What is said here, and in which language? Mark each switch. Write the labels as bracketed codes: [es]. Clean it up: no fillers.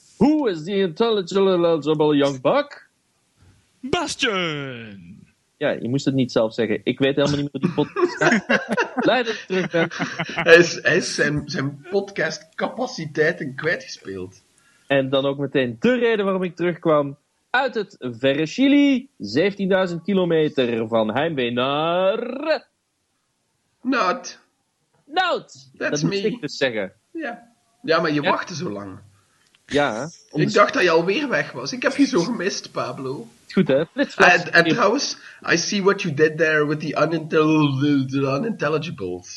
[en] Who is the intelligible young buck? [nl] Bastion! Ja, je moest het niet zelf zeggen. Ik weet helemaal niet meer wat die podcast staat. Blij dat ik terug ben. Hij is zijn podcastcapaciteiten kwijtgespeeld. En dan ook meteen de reden waarom ik terugkwam. Uit het verre Chili. 17.000 kilometer van Heimwee naar... Nout. Nout. [en] That's me. [nl] Moest ik dus zeggen. Ja, maar je wachtte zo lang. Ja. Ik dacht dat je alweer weg was. Ik heb je zo gemist, Pablo. Goed, hè? En trouwens, [en] I see what you did there with the unintelligible.